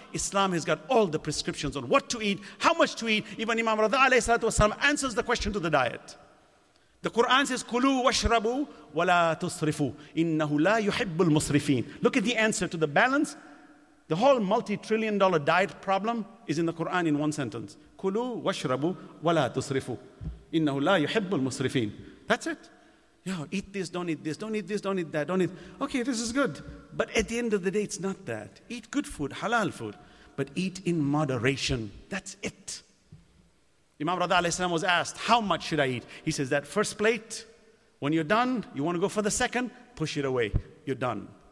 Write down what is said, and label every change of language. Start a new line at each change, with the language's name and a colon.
English: Islam has got all the prescriptions on what to eat, how much to eat. Even Imam Radha alayhi salatu wasalam answers the question to the diet. The Quran says,
Arabic: "Kulu washrabu wa la tusrifu. Innahu la yuhibbul musrifin."
English: Look at the answer to the balance. The whole multi-trillion dollar diet problem is in the Quran in one sentence.
Arabic: كُلُوا وَشْرَبُوا وَلَا تُسْرِفُوا إِنَّهُ لَا يُحِبُّ الْمُسْرِفِينَ
English: That's it. Yo, eat this, don't eat this, don't eat this, don't eat that, don't eat. Okay, this is good. But at the end of the day, it's not that. Eat good food, halal food, but eat in moderation. That's it. Imam Radha alayhi salam was asked, how much should I eat? He says, that first plate, when you're done, you want to go for the second, push it away. You're done.